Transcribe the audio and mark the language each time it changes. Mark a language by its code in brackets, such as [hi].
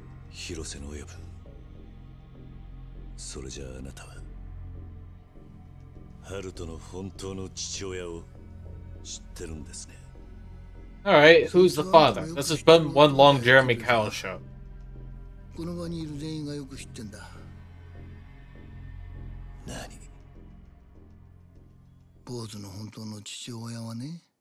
[ja] 広瀬の親分。それじゃああなたはハルトの本当の父親を知ってるんですね。 [en] All right, who's the father? This has been one long Jeremy Kyle show. [ja] この場にいる全員がよく知ってんだ。何？坊主の本当の父親はね。